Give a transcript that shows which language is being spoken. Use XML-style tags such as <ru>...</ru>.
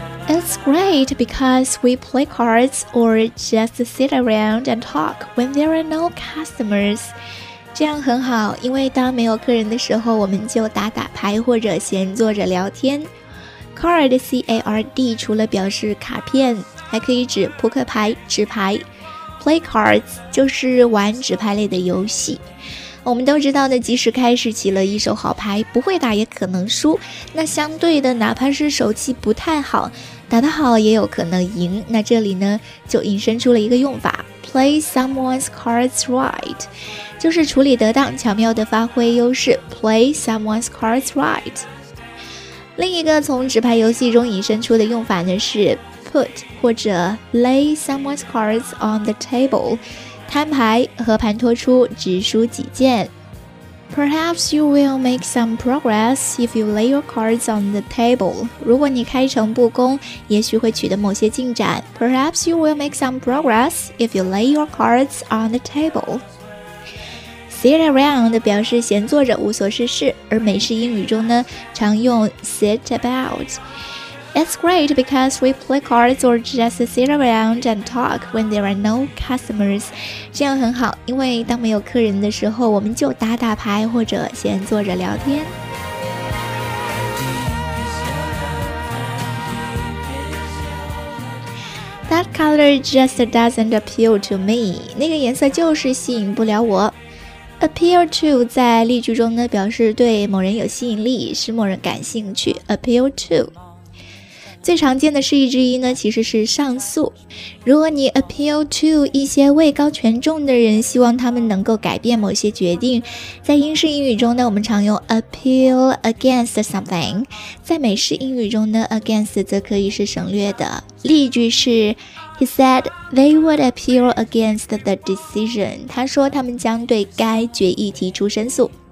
<en>It's great because we play cards or just sit around and talk when there are no customers.</en> <zh>这样很好，因为当没有客人的时候，我们就打打牌或者闲坐着聊天。 Card, C-A-R-D, 除了表示卡片，还可以指扑克牌、纸牌。 Play cards 就是玩纸牌类的游戏。我们都知道呢，即使开始起了一手好牌，不会打也可能输。那相对的，哪怕是手气不太好，打得好也有可能赢。那这里呢，就引申出了一个用法 ，</zh> <en>play someone's cards right，</en> <zh>就是处理得当，巧妙地发挥优势。</zh> <en>play someone's cards right。</en> <zh>另一个从纸牌游戏中引申出的用法呢，是 put 或者</zh> <en>lay someone's cards on the table。</en> <zh>摊牌，和盘托出，只输几件。</zh> <en>Perhaps you will make some progress if you lay your cards on the table.</en> <zh>如果你开诚布公，也许会取得某些进展。</zh> <en>Perhaps you will make some progress if you lay your cards on the table.</en> <zh>Sit around 表示闲坐着，无所事事，而美式英语中呢，常用 sit about。</zh> <en>It's great because we play cards or just sit around and talk when there are no customers.</en> <zh>这样很好，因为当没有客人的时候，我们就打打牌或者闲坐着聊天。</zh> <en>That color just doesn't appeal to me.</en> <zh>那个颜色就是吸引不了我。 Appeal to 在例句中呢，表示对某人有吸引力，使某人感兴趣。Appeal to。最常见的示意之一呢，其实是上诉。如果你 appeal to 一些位高权重的人，希望他们能够改变某些决定，在英式英语中呢，我们常用</zh> <en>appeal against something。</en> <zh>在美式英语中呢， against 则可以是省略的。例句是</zh> <en>，He said they would appeal against the decision。</en> <zh>他说他们将对该决议提出申诉。</zh>